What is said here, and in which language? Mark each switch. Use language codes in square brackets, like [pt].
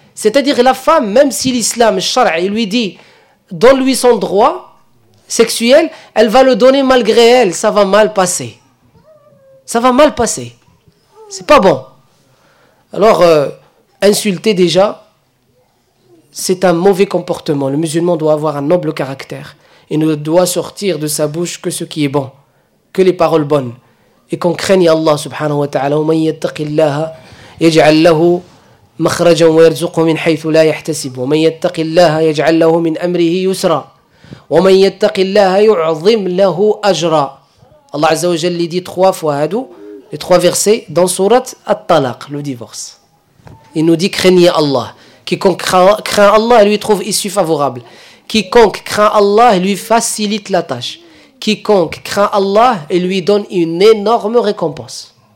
[fr] C'est-à-dire la femme, même si l'islam shara, il lui dit donne-lui son droit sexuel, elle va le donner malgré elle. Ça va mal passer. Ça va mal passer. C'est pas bon. Alors insulter déjà, c'est un mauvais comportement. Le musulman doit avoir un noble caractère et ne doit sortir de sa bouche que ce qui est bon, que les paroles bonnes, et qu'on craigne Allah subhanahu wa taala. [ar] Wa man yattaqillaha yaj'al lahu مخرجا ويرزقه من حيث لا يحتسب ومن يتق الله يجعل له من أمره يسرا ومن يتق الله يعظم له أجرا. الله عز وجل اللي دي [fr] 3 fois [ar] هادو [fr] les 3 versets dans sourate At-Talaq, le divorce. Il nous dit craignez Allah, quiconque craint Allah lui trouve issue favorable, quiconque craint Allah lui facilite la tâche, quiconque craint Allah et lui donne une énorme récompense.